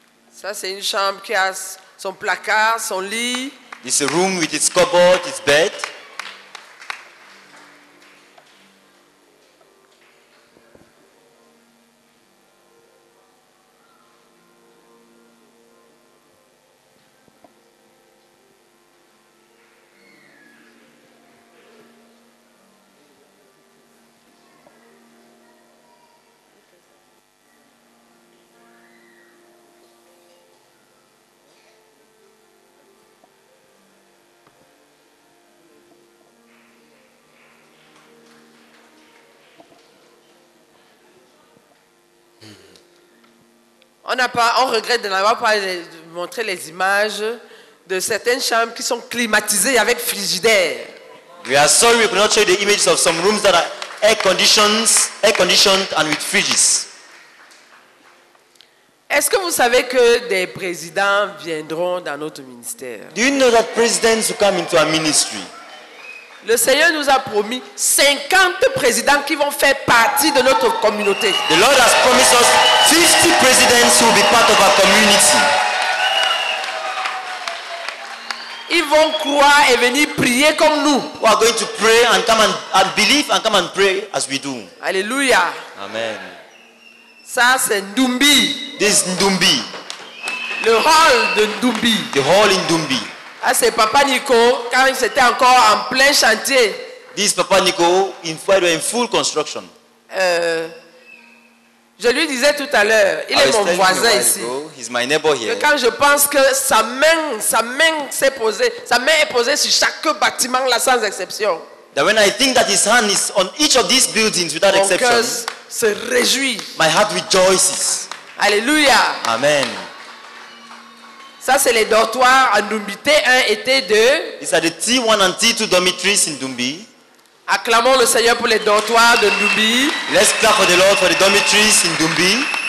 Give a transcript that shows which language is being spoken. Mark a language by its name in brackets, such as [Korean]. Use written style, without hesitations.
[French] Ça, c'est une chambre qui a son placard, son lit. [English] This is a room with its cupboard, its bed. [French] On regrette de n'avoir pas montré les images de certaines chambres qui sont climatisées avec frigidaire. [English] We are sorry we cannot show the images of some rooms that are air conditioned and with fridges. [French] Est-ce que vous savez que des présidents viendront dans notre ministère? [English] Do you know that presidents will come into our ministry? [French] Le Seigneur nous a promis 50 présidents qui vont faire partie de notre communauté. [English] The Lord has promised us 50 presidents who will be part of our community. [French] Ils vont croire et venir prier comme nous. [English] We are going to pray and come and believe and come and pray as we do. [French] Alléluia. Amen. Ça c'est Ndumbi. [English] This is Ndumbi. [French] Le hall de Ndumbi. [English] The hall in Ndumbi. [French] Ah, c'est Papa Nico quand c'était encore en plein chantier. [English] This Papa Nico in full construction. [French] Je lui disais tout à l'heure, il est mon voisin ici. [English] He's my neighbor here. [French] Quand je pense que sa main s'est posée, sa main est posée sur chaque bâtiment là sans exception. [English] That when I think that his hand is on each of these buildings without exception. [French] Mon cœur se réjouit. [English] My heart rejoices. [French] Alléluia. Amen. Ça, c'est les dortoirs en Ndumbi T1 et T2. [English] These are the T1 and T2 dormitories in Ndumbi. [French] Acclamons le Seigneur pour les dortoirs de Ndumbi. [English] Let's clap for the Lord for the dormitories in Ndumbi.